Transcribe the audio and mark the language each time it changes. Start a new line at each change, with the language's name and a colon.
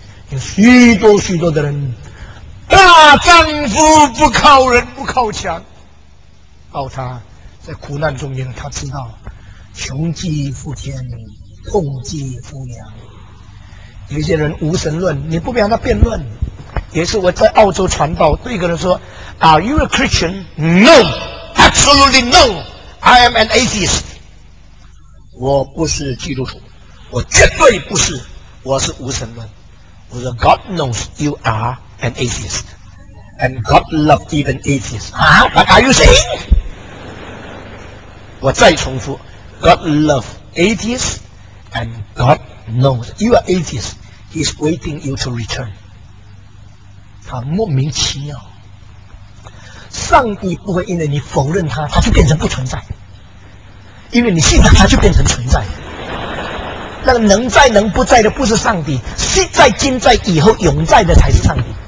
Chinese: 有许多许多的人，大丈夫不靠人，不靠墙。到他在苦难中间，他知道穷极富天，痛极富娘。有些人无神论，你不必让他辩论。也是我在澳洲传道，对一个人说
English: Are you a Christian? No, absolutely no, I am an atheist.
Chinese: 我不是基督徒，我绝对不是，我是无神论。我说
English: God knows you are an atheist, and God loves even atheists. What are you saying?
Chinese: 我再重复
English: God loves atheists, and God knows you are atheist. He is waiting you to return.
Chinese: 他莫名其妙，上帝不会因为你否认他，他就变成不存在；因为你信他，他就变成存在。那个能在能不在的不是上帝，昔在今在以后永在的才是上帝。